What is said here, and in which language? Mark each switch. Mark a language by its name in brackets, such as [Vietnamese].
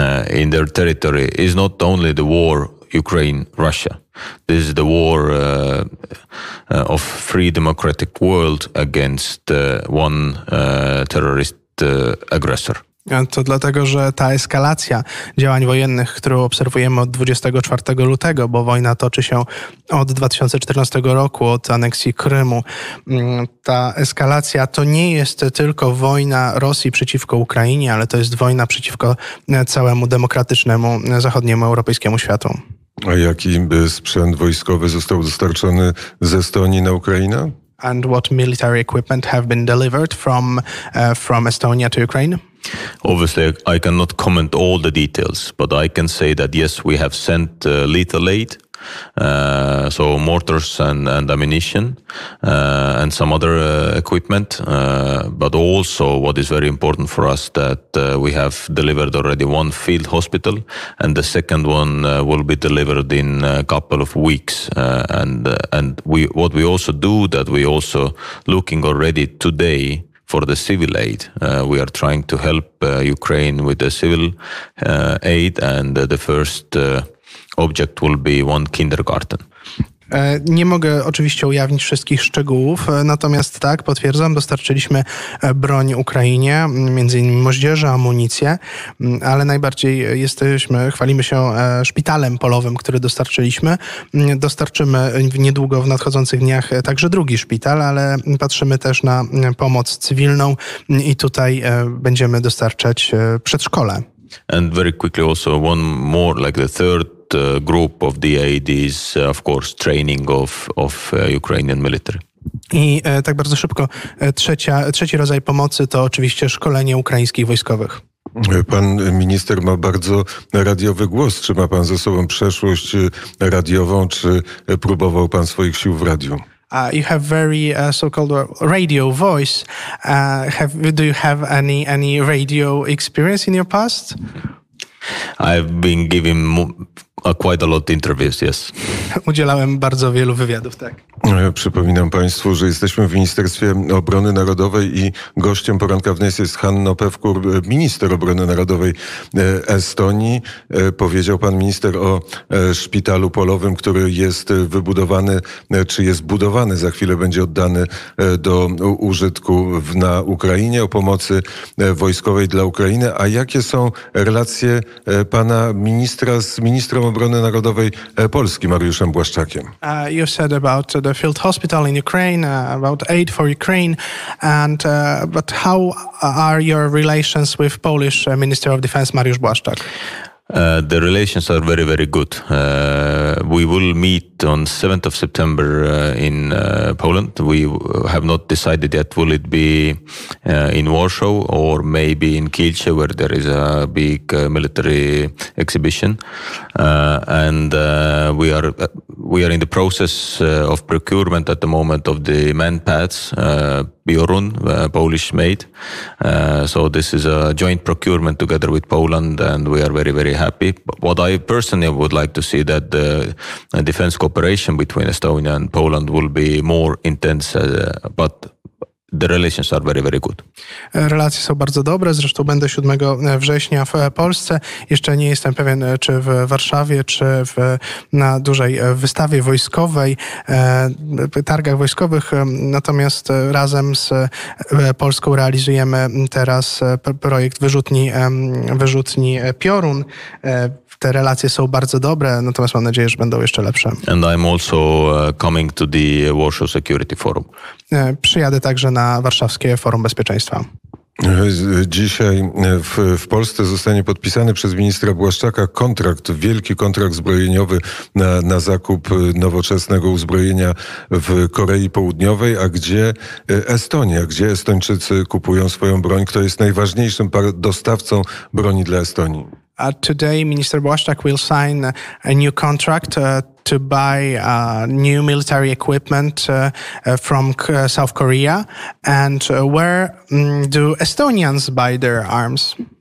[English] in their territory is not only the war Ukraine-Russia. This is the war of free democratic world against one terrorist aggressor. [Polish] To dlatego, że ta eskalacja działań wojennych, którą obserwujemy od 24 lutego, bo wojna toczy się od 2014 roku, od aneksji Krymu, ta eskalacja to nie jest tylko wojna Rosji przeciwko Ukrainie, ale to jest wojna przeciwko całemu demokratycznemu zachodniemu europejskiemu światu. A jaki sprzęt wojskowy został dostarczony ze Estonii na Ukrainę? [English] And what military equipment have been delivered from Estonia to Ukraine? Obviously, I cannot comment all the details, but I can say that yes, we have sent lethal aid, so mortars and ammunition and some other equipment. But also, what is very important for us, that we have delivered already one field hospital, and the second one will be delivered in a couple of weeks. And we also looking already today. For the civil aid, we are trying to help Ukraine with the civil aid, and the first object will be one kindergarten. [Polish] Nie mogę oczywiście ujawnić wszystkich szczegółów, natomiast tak, potwierdzam, dostarczyliśmy broń Ukrainie, między innymi moździerze, amunicję, ale najbardziej chwalimy się szpitalem polowym, który dostarczyliśmy. Dostarczymy niedługo w nadchodzących dniach także drugi szpital, ale patrzymy też na pomoc cywilną i tutaj będziemy dostarczać przedszkole. [English] And very quickly also one more, like the third group of the aid is of course training of Ukrainian military. [Polish] I tak bardzo szybko, trzeci rodzaj pomocy to oczywiście szkolenie ukraińskich wojskowych. Pan minister ma bardzo radiowy głos. Czy ma pan ze sobą przeszłość radiową, czy próbował pan swoich sił w radiu? [English] You have very so-called radio voice. Do you have any radio experience in your past? I've been giving quite a lot of interviews, yes. [Polish] Udzielałem bardzo wielu wywiadów, tak. Przypominam Państwu, że jesteśmy w Ministerstwie Obrony Narodowej i gościem Poranka Wnet jest Hanno Pevkur, minister obrony narodowej Estonii. Powiedział pan minister o szpitalu polowym, który jest wybudowany, czy jest budowany, za chwilę będzie oddany do użytku na Ukrainie, o pomocy wojskowej dla Ukrainy. A jakie są relacje pana ministra z ministrem obrony narodowej Polski, Mariuszem Błaszczakiem? [English] You said about the field hospital in Ukraine, about aid for Ukraine, and but how are your relations with Polish Minister of Defense Mariusz Błaszczak? The relations are very, very good. We will meet on 7th of September in Poland. We have not decided yet, will it be in Warsaw or maybe in Kielce, where there is a big military exhibition. We are in the process of procurement at the moment of the manpads, Biorun, Polish made. So this is a joint procurement together with Poland, and we are very, very happy. But what I personally would like to see, that the defense cooperation between Estonia and Poland will be more intense, but the relations are very, very good. [Polish] Relacje są bardzo dobre, zresztą będę 7 września w Polsce. Jeszcze nie jestem pewien, czy w Warszawie, czy na dużej wystawie wojskowej, targach wojskowych, natomiast razem z Polską realizujemy teraz projekt wyrzutni Piorun. Te relacje są bardzo dobre, natomiast mam nadzieję, że będą jeszcze lepsze. [English] And I'm also coming to the Warsaw Security Forum. [Polish] Przyjadę także na Warszawskie Forum Bezpieczeństwa. Dzisiaj w Polsce zostanie podpisany przez ministra Błaszczaka kontrakt, wielki kontrakt zbrojeniowy na zakup nowoczesnego uzbrojenia w Korei Południowej. A gdzie Estonia? Gdzie Estończycy kupują swoją broń? Kto jest najważniejszym dostawcą broni dla Estonii? [English] Today, Minister Błaszczak will sign a new contract to buy new military equipment from South Korea. And where do Estonians buy their arms?